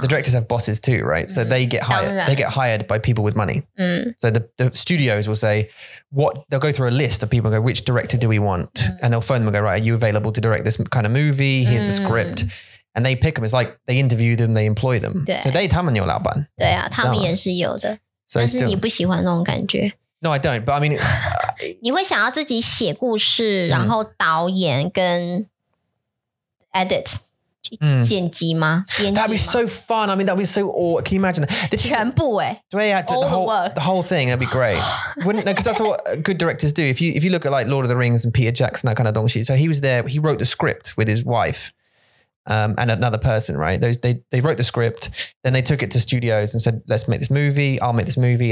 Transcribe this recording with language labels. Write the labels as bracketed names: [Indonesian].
[English] The directors have bosses too, right? So they get hired. They get hired by people with money. So the studios will say, they'll go through a list of people and go, which director do we want? And they'll phone them and go, right, are you available to direct this kind of movie? Here's the script. And they pick them. It's like they interview them, they employ them. So they, [Chinese] 他们有老板. 对啊, 他们也是有的. So 但是你不喜欢那种感觉。 [English] No, I don't. But I mean, [Chinese] 你会想要自己写故事、嗯、然后导演跟 edit、嗯、剪辑 吗, 编辑吗 [English] That'd be so fun. I mean, that'd be so awesome. Can you imagine that? [Chinese] 全部耶、欸、对啊 [English] all the whole thing, that'd be great. Wouldn't, no, because that's what good directors do. If you look at like Lord of the Rings and Peter Jackson, that kind of donkey. So he was there, he wrote the script with his wife. And another person, right? They wrote the script, then they took it to studios and said, let's make this movie, I'll make this movie.